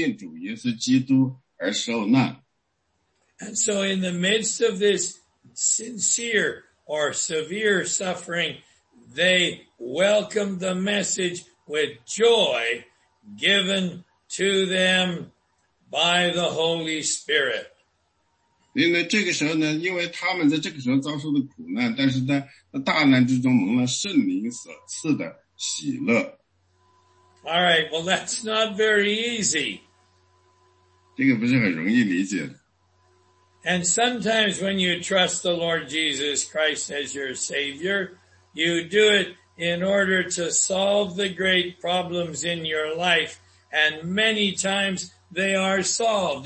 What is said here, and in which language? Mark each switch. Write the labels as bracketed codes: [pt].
[zh] 这个呢，当时提摩太成为基督徒不久，所以他们刚开始成为以后呢，他们就会因为他们相信主耶稣基督而受难。 [en] And so in the midst of this sincere or severe suffering, they welcomed the message with joy given to them by the Holy Spirit. [zh] 因为这个时候呢，因为他们在这个时候遭受的苦难，但是在大难之中蒙了圣灵所赐的喜乐。 [en] All right, well, that's not very easy. [zh] 这个不是很容易理解的。 [en] And sometimes when you trust the Lord Jesus Christ as your Savior, you do it in order to solve the great problems in your life, and many times they are solved.